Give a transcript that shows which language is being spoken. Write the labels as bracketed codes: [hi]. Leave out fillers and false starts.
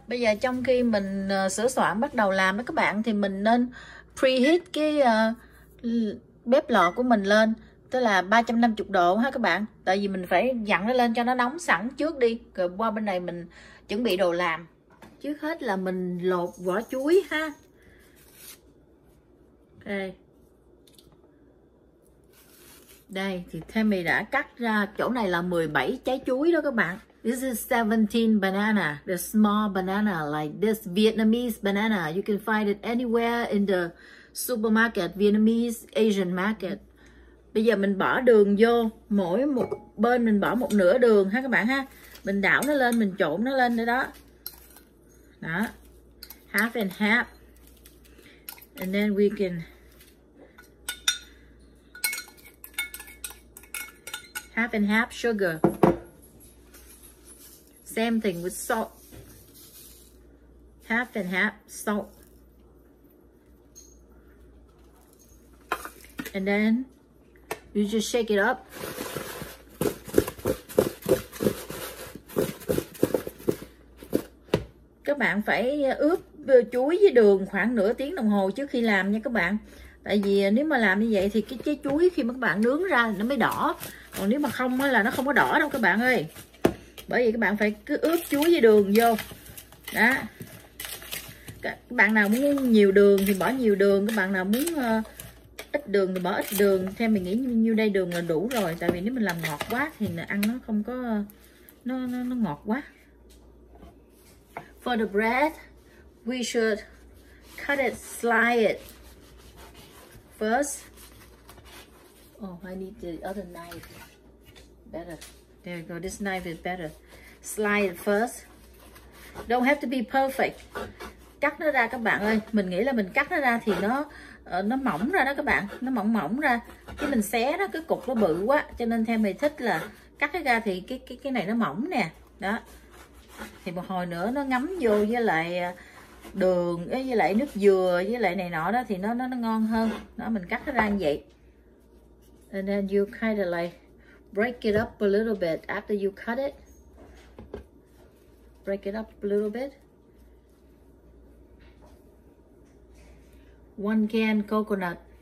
[vi] Bây giờ trong khi mình sửa soạn bắt đầu làm đó các bạn, thì mình nên preheat cái bếp lò của mình lên, tức là 350 độ ha các bạn, tại vì mình phải dặn nó lên cho nó nóng sẵn trước đi, rồi qua bên này mình chuẩn bị đồ làm. Trước hết là mình lột vỏ chuối ha. Okay. Đây thì Tammy đã cắt ra chỗ này là 17 trái chuối đó các bạn. [en] This is 17 banana, the small banana like this Vietnamese banana. You can find it anywhere in the supermarket, Vietnamese Asian market. [vi] Bây giờ mình bỏ đường vô, mỗi một bên mình bỏ một nửa đường ha các bạn ha. Mình đảo nó lên, mình trộn nó lên nữa đó. Đó. [en] Half and half. And then we can half and half sugar. Same thing with salt. Half and half salt. And then you just shake it up. [vi] Các bạn phải ướp chuối với đường khoảng nửa tiếng đồng hồ trước khi làm nha các bạn. Tại vì nếu mà làm như vậy thì cái trái chuối khi mà các bạn nướng ra nó mới đỏ. Còn nếu mà không là nó không có đỏ đâu các bạn ơi. Bởi vì các bạn phải cứ ướp chuối với đường vô. Đó. Các bạn nào muốn nhiều đường thì bỏ nhiều đường, các bạn nào muốn ít đường thì bỏ ít đường. Theo mình nghĩ như đây đường là đủ rồi, tại vì nếu mình làm ngọt quá thì ăn nó không có nó ngọt quá. [en] For the bread, we should cut it, slice it first. Oh, I need the other knife. Better. There you go. This knife is better. Slice it first. Don't have to be perfect. [vi] Cắt nó ra các bạn ơi. Mình nghĩ là mình cắt nó ra thì nó mỏng ra đó các bạn. Nó mỏng mỏng ra. Chứ mình xé nó cái cục nó bự quá. Cho nên theo mày thích là cắt nó ra thì cái này nó mỏng nè. Đó. Thì một hồi nữa nó ngấm vô với lại đường, với lại nước dừa, với lại này nọ đó thì nó ngon hơn. Đó, mình cắt nó ra như vậy. [en] And then you kind of like break it up a little bit after you cut it. Break it up a little bit. One can coconut.